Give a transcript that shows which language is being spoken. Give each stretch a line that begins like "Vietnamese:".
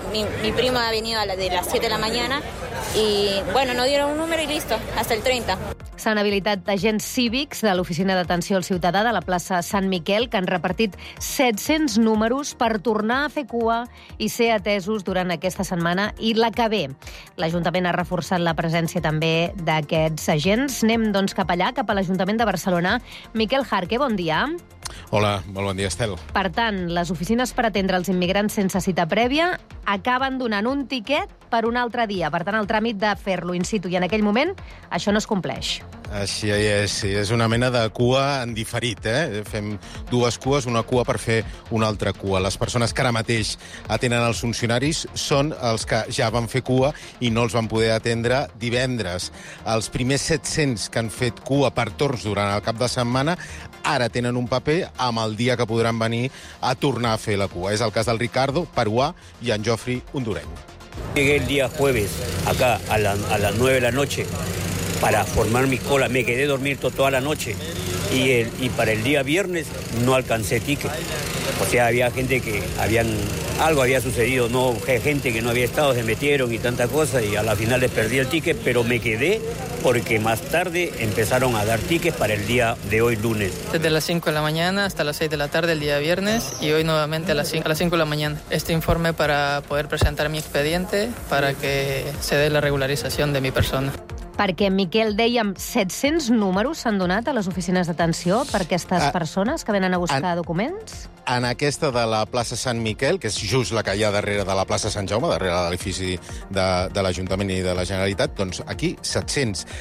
Spanish: Mi prima ha venido a la de las 7 de la mañana y, bueno, no dieron un número y listo, hasta el 30.
Catalan: S'han habilitat agents cívics de l'Oficina d'Atenció al Ciutadà de la plaça Sant Miquel que han repartit 700 números per tornar a fer cua i ser atesos durant aquesta setmana i la que ve. L'Ajuntament ha reforçat la presència també d'aquests agents. Anem, doncs, cap allà, cap a l'Ajuntament de Barcelona. Miquel Jarque, bon dia. Hola, molt bon dia, Estel. Per tant, les oficines per atendre els immigrants sense cita prèvia acaben donant un tiquet per un altre dia. Per tant, el tràmit de fer-lo in situ i en aquell moment, això no es compleix. Així és, sí. És una mena de cua en diferit, eh? Fem dues cues, una cua per fer una altra cua. Les persones que ara mateix atenen els funcionaris són els que ja van fer cua i no els van poder atendre divendres. Els primers 700 que han fet cua per torns durant el cap de setmana ara tenen un paper amb el dia que podran venir a tornar a fer la cua. És el cas del Ricardo, peruà, i en Jofri, hondureny.
Spanish: Llegué el día jueves, acá, a las 9 de la noche, para formar mi cola. Me quedé dormido toda la noche. Y para el día viernes no alcancé ticket. O sea, había gente que habían... Algo había sucedido, no, gente que no había estado, se metieron y tanta cosa, y a la final les perdí el ticket, pero me quedé porque más tarde empezaron a dar tickets para el día de hoy, lunes. Desde las 5 de la mañana hasta las 6 de la tarde, el día viernes, y hoy nuevamente a las 5 de la mañana. Este informe para poder presentar mi expediente, para que se dé la regularización de mi persona.
Catalan: Perquè, Miquel, dèiem, 700 números s'han donat a les oficines d'atenció per aquestes persones que venen a buscar documents? En aquesta de la plaça Sant Miquel, que és just la que hi ha darrere de la plaça Sant Jaume, darrere de l'edifici de l'Ajuntament i de la Generalitat, doncs aquí, 700.